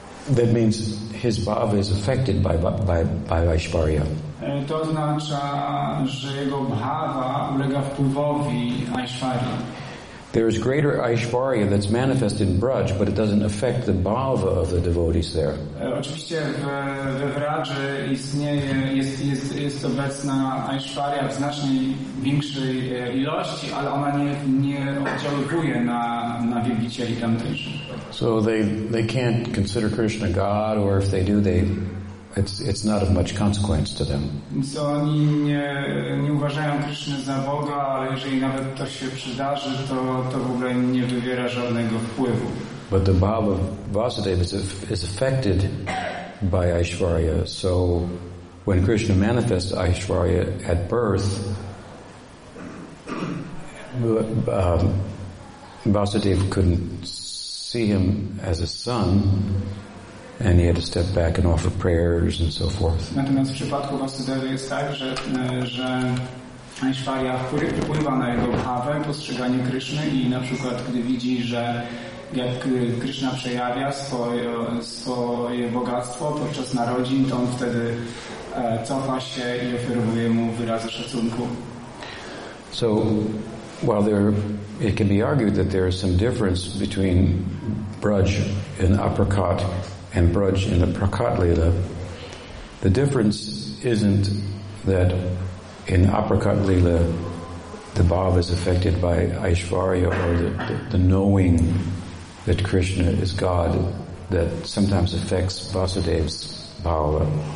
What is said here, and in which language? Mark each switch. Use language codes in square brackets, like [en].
[en] That means his bhava is affected by Aishwarya. [pl] To oznacza, że jego bhava ulega wpływowi Aishwari. [en] There is greater Aishwarya that's manifest in Braj, but it doesn't affect the bhava of the devotees there. [pl] Oczywiście w Vraży istnieje, jest obecna Aishwarya w znacznie większej ilości, ale ona nie oddziałuje na wielbicieli tamtejszych. [en] So they can't consider Krishna God, or if they do, it's not of much consequence to them. [pl] So oni nie uważają Krishna za Boga, ale jeżeli nawet to się przydarzy, to w ogóle nie wywiera żadnego wpływu. [en] But the bhava of Vasudeva is affected by Aishwarya. So when Krishna manifests Aishwarya at birth, Vasudeva couldn't see him as a son, and he had to step back and offer prayers and so forth. [pl] Natomiast w przypadku Vasudevy jest tak, że Aishwarya wpływa na jego bhawę, postrzeganie Kryszny i na przykład gdy widzi, że jak Kryszna przejawia swoje bogactwo podczas narodzin, to on wtedy cofa się i oferuje mu wyrazy szacunku. [en] So, while there, it can be argued that there is some difference between Braj in Aprakat and Braj in the Prakat Lila, the difference isn't that in Aprakat Lila the bhava is affected by Aishwarya or the knowing that Krishna is God that sometimes affects Vasudeva's bhava.